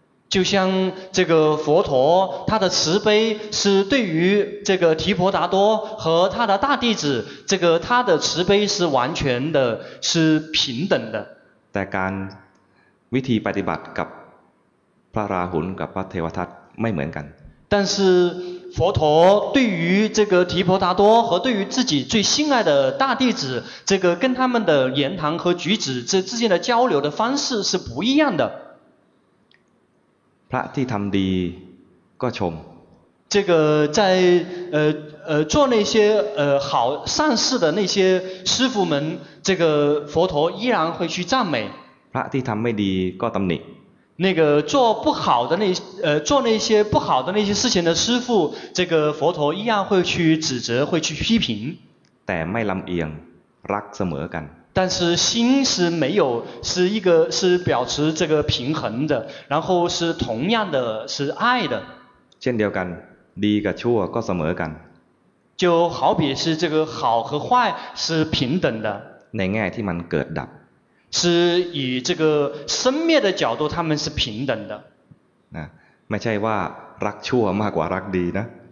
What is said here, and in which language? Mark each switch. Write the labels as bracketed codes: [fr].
[zh] 就像这个佛陀他的慈悲是对于这个提婆达多和他的大弟子这个他的慈悲是完全的是平等的 [th] แต่การวิธีปฏิบัติกับพระราหุลกับพระเทวทัตไม่เหมือนกัน [zh] 但是佛陀对于这个提婆达多和对于自己最心爱的大弟子这个跟他们的言谈和举止这之间的交流的方式是不一样的 [th] พระที่ทำดีก็ชม [zh] 这个在做那些好善事的那些师父们这个佛陀依然会去赞美 [th] พระที่ทำไม่ดีก็ตำหนิ [zh] 那个做不好的那做那些不好的那些事情的师父这个佛陀一样会去指责会去批评 [th] แต่ไม่ลำเอียงรักเสมอกัน [zh] 但是心是没有是一个是保持这个平衡的然后是同样的是爱的 [th] เช่นเดียวกันดีกับชั่วก็เสมอกัน [zh] 就好比是这个好和坏是平等的 [th] ในแง่ที่มันเกิดดับ [zh] 是以这个生灭的角度他们是平等的 [th] ไม่ใช่ว่ารักชั่วมากกว่ารักดีนะ